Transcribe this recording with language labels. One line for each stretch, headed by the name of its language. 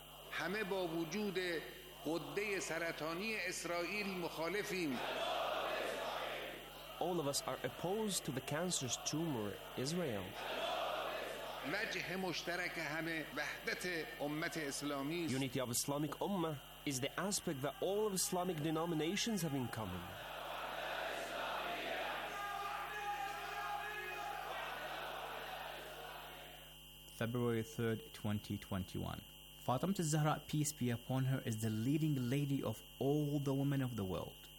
Persian: همه با وجود قده سرطانی اسرائیل مخالفیم.
English: All of us are opposed to the cancerous tumor Israel.
Persian: وجه مشترک همه وحدت امت اسلامی.
English: Unity of Islamic Ummah is the aspect that all of Islamic denominations have in common. February 3rd, 2021. Fatemeh Zahra, peace be upon her, is the leading lady of all the women of the world.